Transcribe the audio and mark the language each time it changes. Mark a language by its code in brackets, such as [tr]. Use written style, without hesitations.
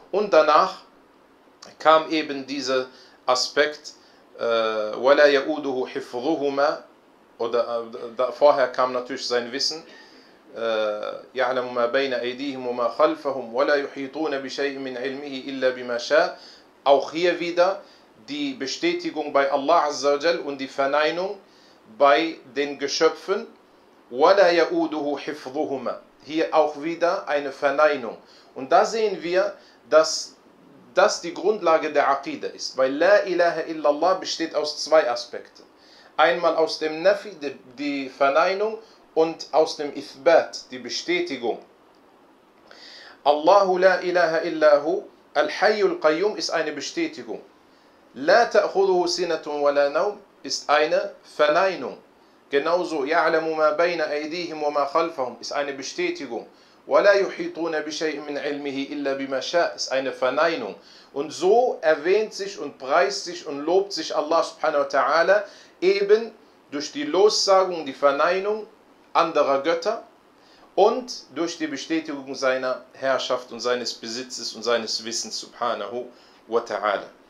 [de] Und danach kam eben dieser Aspekt, [ar] وَلَا يَؤُدُهُ حِفْظُهُمَا, [de] oder vorher kam natürlich sein Wissen, [ar] يَعْلَمُ مَا بَيْنَ أَيْدِيهِمْ وَمَا خَلْفَهُمْ وَلَا يُحِيطُونَ بِشَيْءٍ مِنْ عِلْمِهِ إِلَّا بِمَا شَاءَ. [de] Auch hier wieder die Bestätigung bei Allah Azza wa Jal und die Verneinung bei den Geschöpfen. [ar] وَلَا يَؤُدُهُ حِفْظُهُمَا. [de] Hier auch wieder eine Verneinung. Und da sehen wir, dass das die Grundlage der Aqidah ist. Weil La ilaha illallah besteht aus zwei Aspekten. Einmal aus dem Nafi, die Verneinung, und aus dem Ithbat, die Bestätigung. [ar] Allahu la ilaha illahu, al-hayyul qayyum, [de] ist eine Bestätigung. [ar] La ta'khuduhu sinatun wa la nawm, [de] ist eine Verneinung. Genauso, [ar] ya'lamu ma bayna aydihim wa ma khalfahum, [de] ist eine Bestätigung. [ar] وَلَا يُحِيطُونَ بِشَيْءٍ مِنْ عِلْمِهِ إِلَّا بِمَا شَاءَ, [de] ist eine Verneinung. Und so erwähnt sich und preist sich und lobt sich Allah subhanahu wa ta'ala eben durch die Lossagung, die Verneinung anderer Götter und durch die Bestätigung seiner Herrschaft und seines Besitzes und seines Wissens subhanahu wa ta'ala.